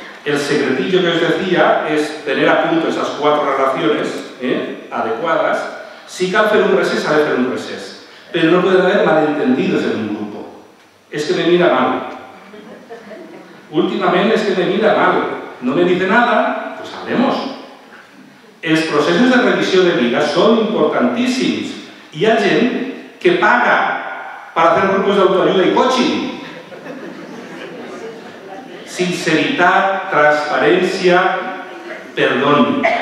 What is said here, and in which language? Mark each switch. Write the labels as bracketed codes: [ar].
[ca] El secretillo que us decía és tenir a punt aquestes quatre relacions adequades. Si cal fer un recés, s'ha de fer un recés. Però no poden haver malentendidos en un grup. [es] És que me mira mal. Últimament és que me mira mal. No me dice nada, pues hablemos. [ca] Els processos de revisió de vida són importantíssims. Hi ha gent que paga per fer grups d'autoajuda i coaching. Sinceritat, transparència, perdón.